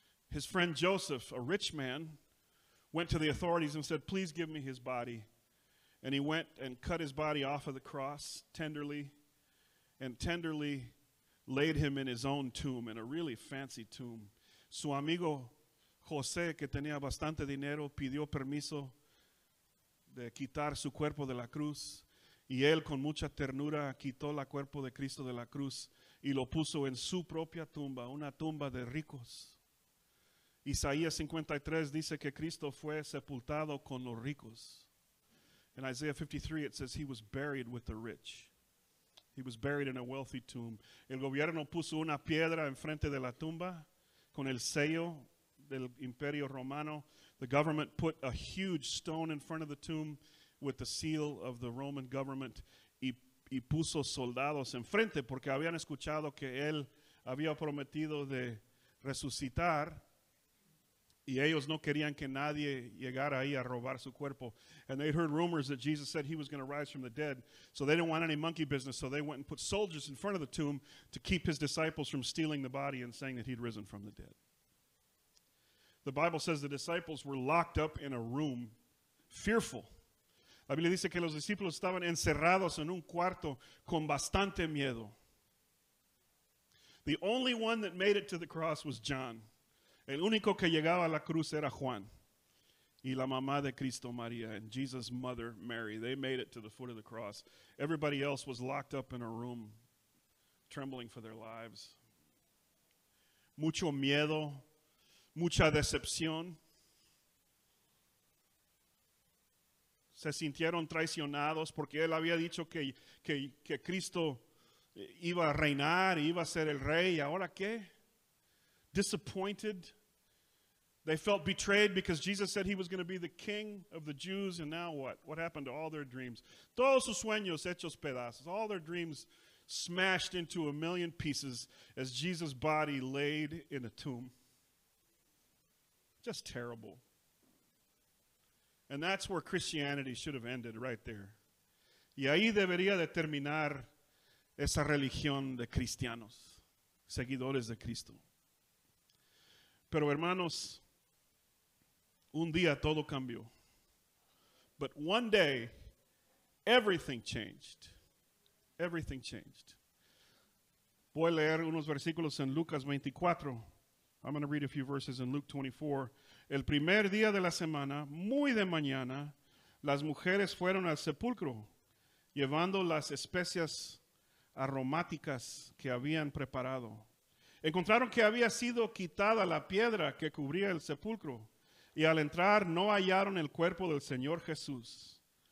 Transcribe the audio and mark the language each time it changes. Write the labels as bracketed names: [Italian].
[English] His friend Joseph, a rich man, went to the authorities and said, "Please give me his body." And he went and cut his body off of the cross tenderly, and tenderly laid him in his own tomb, in a really fancy tomb. [Spanish] Su amigo José, que tenía bastante dinero, pidió permiso de quitar su cuerpo de la cruz. Y él, con mucha ternura, quitó el cuerpo de Cristo de la cruz y lo puso en su propia tumba, una tumba de ricos. Isaías 53 dice que Cristo fue sepultado con los ricos. [English] En Isaiah 53, it says he was buried with the rich. He was buried in a wealthy tomb. [Spanish] El gobierno puso una piedra enfrente de la tumba con el sello del Imperio Romano. [English] The government put a huge stone in front of the tomb with the seal of the Roman government [Spanish] y puso soldados enfrente porque habían escuchado que él había prometido de resucitar y ellos no querían que nadie llegara ahí a robar su cuerpo. [English] And they heard rumors that Jesus said he was going to rise from the dead, so they didn't want any monkey business, so they went and put soldiers in front of the tomb to keep his disciples from stealing the body and saying that he'd risen from the dead. The Bible says the disciples were locked up in a room, fearful. [Spanish] La Biblia dice que los discípulos estaban encerrados en un cuarto con bastante miedo. [English] The only one that made it to the cross was John. [Spanish] El único que llegaba a la cruz era Juan. Y la mamá de Cristo, María, [English] and Jesus' mother, Mary. They made it to the foot of the cross. Everybody else was locked up in a room, trembling for their lives. [Spanish] Mucho miedo. Mucha decepción. Se sintieron traicionados porque él había dicho que Cristo iba a reinar, iba a ser el rey. ¿Y ahora qué? [English] Disappointed. They felt betrayed because Jesus said he was going to be the king of the Jews. And now what? What happened to all their dreams? [Spanish] Todos sus sueños hechos pedazos. [English] All their dreams smashed into a million pieces as Jesus' body laid in a tomb. Just terrible. And that's where Christianity should have ended, right there. [Spanish] Y ahí debería de terminar esa religión de cristianos, seguidores de Cristo. Pero hermanos, un día todo cambió. [English] But one day, everything changed. Everything changed. [Spanish] Voy a leer unos versículos en Lucas 24. [English] I'm going to read a few verses in Luke 24. [Spanish] El primer día de la semana, muy de mañana, las mujeres fueron al sepulcro, llevando las especias aromáticas que habían preparado. Encontraron que había sido quitada la piedra que cubría el sepulcro, y al entrar no hallaron el cuerpo del Señor Jesús.